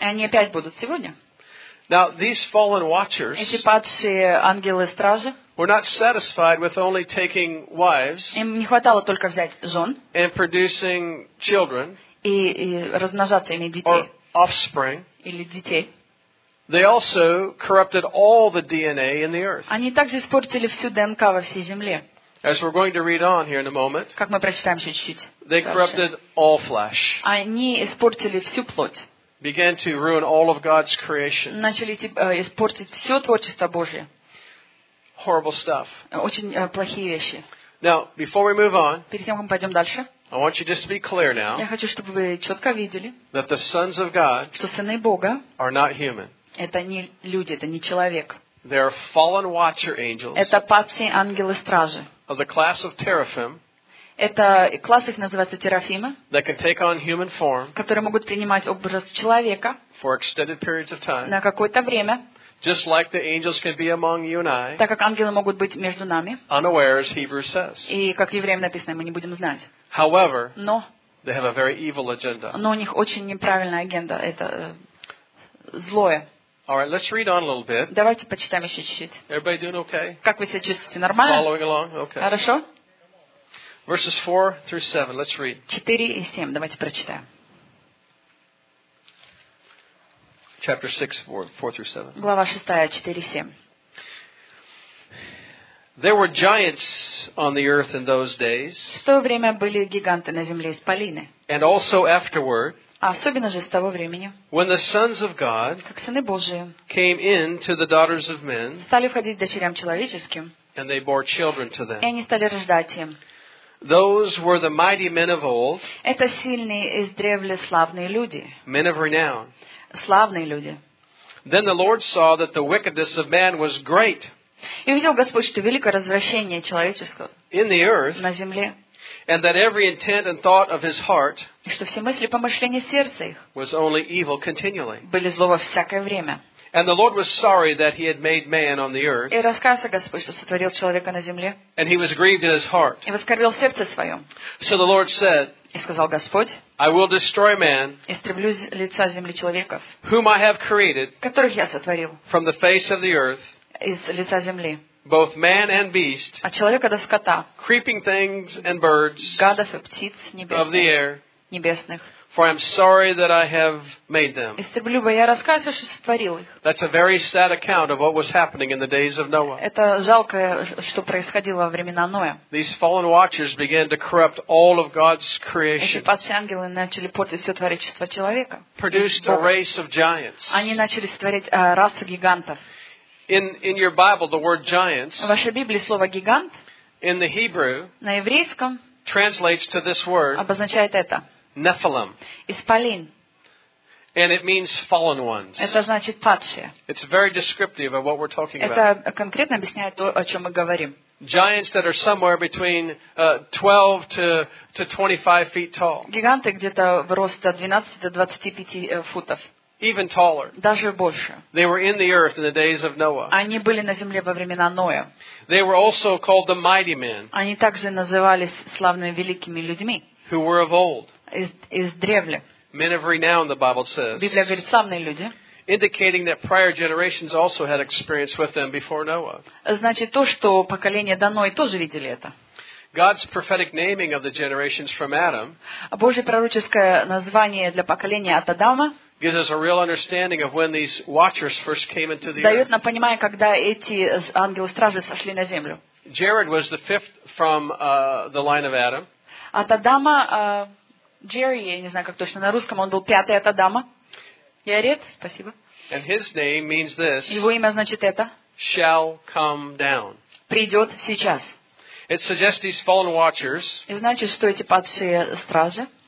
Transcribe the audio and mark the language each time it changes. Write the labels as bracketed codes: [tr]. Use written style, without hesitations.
[ru] и они опять будут сегодня. [en] Now these fallen watchers, [ru] эти падшие ангелы стражи, [en] were not satisfied with only taking wives, [ru] им не хватало только взять жен, [en] and producing children, [ru] и размножаться, иметь детей, [en] or offspring, [ru] или детей. [en] They also corrupted all the DNA in the earth. [ru] Они также испортили всю ДНК во всей земле. [en] As we're going to read on here in a moment. [ru] Как мы прочитаем чуть-чуть. [en] They corrupted all flesh. [ru] Они испортили всю плоть. [en] Began to ruin all of God's creation. [ru] Начали испортить все творчество Божье. [en] Horrible stuff. [ru] Очень плохие вещи. [en] Now, before we move on. [ru] Перед тем, как мы пойдем дальше. [en] I want you just to be clear now. [ru] Я хочу, чтобы вы четко видели. [en] That the sons of God. [ru] Что сыны Бога. [en] Are not human. [ru] Это не люди, это не человек. [en] They are fallen watcher angels. [ru] Это падшие ангелы стражи. [en] Of the class of teraphim. [ru] Это класс их называется терафимы. [en] That can take on human form. [ru] Которые могут принимать образ человека. [en] For extended periods of time. [ru] На какое-то время. [en] Just like the angels can be among you and I. [ru] Так как ангелы могут быть между нами. [en] Unaware, as Hebrews says. [ru] И как евреям написано, мы не будем знать. [en] However. [ru] Но. [en] They have a very evil agenda. [ru] Но у них очень неправильная агенда. Это злое. [en] All right, let's read on a little bit. [ru] Давайте почитаем еще чуть-чуть. [en] Everybody doing okay? [ru] Как вы себя чувствуете? Нормально? [en] Following along? Okay. [ru] Хорошо? [en] Verses 4 through 7. Let's read. [ru] 4 и 7. Давайте прочитаем. [en] Chapter 6, 4 through 7. [ru] Глава 6, 4 и 7. [en] There were giants on the earth in those days. [ru] В то время были гиганты на земле, исполины. [en] And also afterward. [ru] Особенно же с того времени, [en] when the sons of God, [ru] как сыны Божии, [en] came in to the daughters of men, [ru] стали входить к дочерям человеческим, [en] and they bore children to them. [ru] И они стали рождать им. [en] Those were the mighty men of old, [ru] это сильные из древле славные люди, [en] men of renown, [ru] славные люди. [en] Then the Lord saw that the wickedness of man was great, [ru] и увидел Господь, что великое развращение человеческое, [en] in the earth, [ru] на земле. [en] And that every intent and thought of his heart, [ru] и что все мысли, помышления сердца их, [en] was only evil continually, [ru] были зло во всякое время. [en] And the Lord was sorry that he had made man on the earth, [ru] и раскаялся Господь, что сотворил человека на земле, [en] and he was grieved in his heart, [ru] и воскорбел в сердце своем. [en] So the Lord said, [ru] и сказал Господь, [en] I will destroy man, [ru] истреблю лица земли человеков, [en] whom I have created, [ru] которых я сотворил, [en] from the face of the earth, [ru] из лица земли, [en] both man and beast, [ru] от человека до скота, [en] creeping things and birds, [ru] гадов и птиц небесных, [en] of the air, [ru] небесных. [en] For I am sorry that I have made them. [ru] Истреблю бы я, раскаялся, что сотворил их. [en] That's a very sad account of what was happening in the days of Noah. [ru] Это жалко, что происходило во времена Ноя. [en] These fallen watchers began to corrupt all of God's creation. [ru] Эти падшие ангелы начали портить все творчество человека. [en] Produced a race of giants. [ru] Они начали сотворить расу гигантов. [en] In your Bible, the word giants, [ru] в вашей Библии слово гигант, [en] in the Hebrew, [ru] на еврейском, [en] translates to this word, [ru] обозначает это, [en] Nephilim, [ru] исполин, [en] and it means fallen ones. [ru] Это значит падшие. [en] It's very descriptive of what we're talking [ru] это [en] about. [ru] Это конкретно объясняет то, о чем мы говорим. [en] Giants that are somewhere between 12 to 25 feet tall. [ru] Гиганты где-то в рост от 12 до 25 футов. [en] Even taller. [ru] Даже больше. [en] They were in the earth in the days of Noah. [ru] Они были на земле во времена Ноя. [en] They were also called the mighty men. [ru] Они также назывались славными великими людьми. [en] Who were of old. [ru] Из древле. [en] Men of renown, the Bible says. [ru] Библия говорит, славные люди. [en] Indicating that prior generations also had experience with them before Noah. [ru] Значит, то, что поколение до Ноя тоже видели это. [en] God's prophetic naming of the generations from Adam. [ru] Божье пророческое название для поколения от Адама. [en] Gives us a real understanding of when these watchers first came into the [ru] дает [en] earth. [ru] Нам понимание, когда эти ангелы-стражи сошли на землю. [en] Jared was the fifth from the line of Adam. [ru] От Адама, Jerry, я не знаю, как точно на русском, он был пятый от Адама. Jared, спасибо. [en] And his name means this. [ru] Его имя значит это. [en] Shall come down. [ru] Придет сейчас. [en] It suggests these fallen watchers. [ru] И значит, что эти падшие стражи.